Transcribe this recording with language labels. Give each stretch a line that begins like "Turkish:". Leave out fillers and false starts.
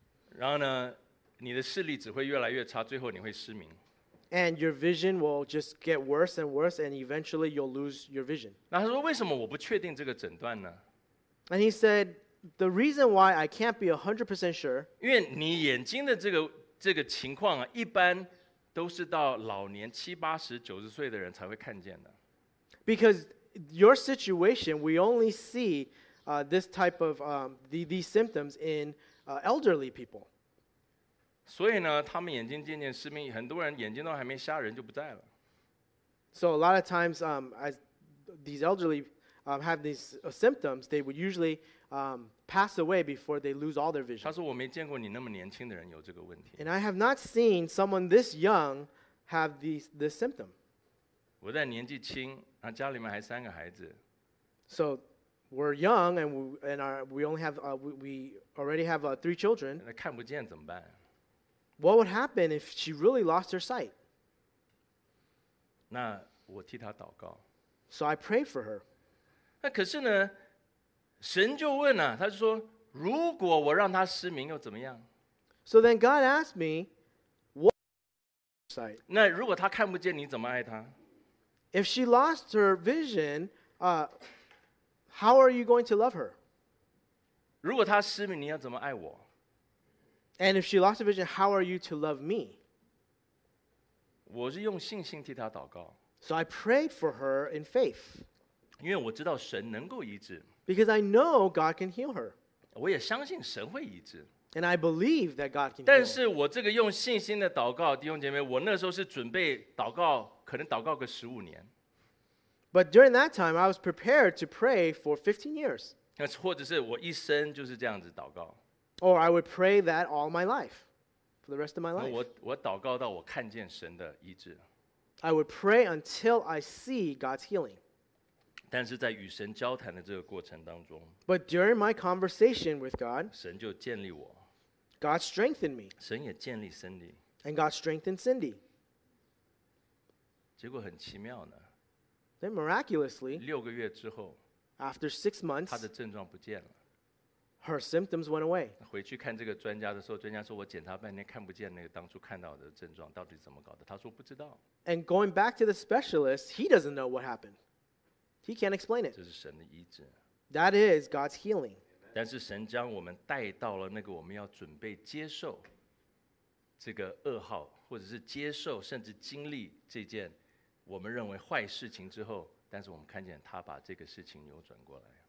Chinese: 然后呢，你的视力只会越来越差，最后你会失明。
English: And your vision will just get worse and worse, and eventually you'll lose your vision.
Chinese: 那他说，为什么我不确定这个诊断呢？
English: And he said, the reason why I can't be 100% sure.
Chinese: 因为你眼睛的这个情况啊，一般。都是到老年七八十九十岁的人才会看见的。
English: Because your situation, we only see this type of these symptoms in elderly people.
Chinese: 所以呢，他们眼睛渐渐失明，很多人眼睛都还没瞎，人就不在了。
English: So a lot of times, as these elderly have these symptoms, they would usually pass away before they lose all their vision.
Chinese: 他说我没见过你那么年轻的人有这个问题。
English: And I have not seen someone this young have this symptom.
Chinese: 我在年纪轻，然后家里面还三个孩子。
English: So we're young and we already have three children.
Chinese: 那看不见怎么办？
English: What would happen if she really lost her sight?
Chinese: 那我替她祷告。
English: So I prayed for her.
Chinese: 那可是呢？神就问了，他就说：“如果我让他失明又怎么样
English: ？”So then God asked me, "What?"
Chinese: 那如果他看不见，你怎么爱他
English: ？If she lost her vision, how are you going to love her?
Chinese: 如果他失明，你要怎么爱我
English: ？And if she lost her vision, how are you to love me?
Chinese: 我是用信心替他祷告。
English: So I prayed for her in faith.
Chinese: 因为我知道神能够医治。
English: Because I know God can heal her.
Chinese: 我也相信神会医治。
English: And I believe that God can heal her.
Chinese: 但是我这个用信心的祷告，弟兄姐妹，我那时候是准备祷告，可能祷告个十五年。
English: But during that time, I was prepared to pray for 15 years.
Chinese: 或者是我一生就是这样子祷告。
English: Or I would pray that all my life, for the rest of my life.
Chinese: 我祷告到我看见神的医治。
English: I would pray until I see God's healing.
Chinese: 但是在与神交谈的这个过程当中
English: ，But during my conversation with God，
Chinese: 神就建立我
English: ，God strengthened me，
Chinese: 神也建立 Cindy，
English: And God strengthened Cindy。
Chinese: 结果很奇妙呢。
English: Then miraculously,
Chinese: 六个月之后
English: after 6 months,
Chinese: 她的症状不见了。
English: Her symptoms went away.
Chinese: 回去看这个专家的时候，专家说我检查半天看不见那个当初看到的症状，到底怎么搞的？他说不知道。
English: And going back to the specialist, he doesn't know what happened. He can't explain it.
Chinese: 这是神的医治。
English: That is God's healing.
Chinese: 但是神将我们带到了那个我们要准备接受这个噩耗，或者是接受甚至经历这件我们认为坏事情之后，但是我们看见他把这个事情扭转过来。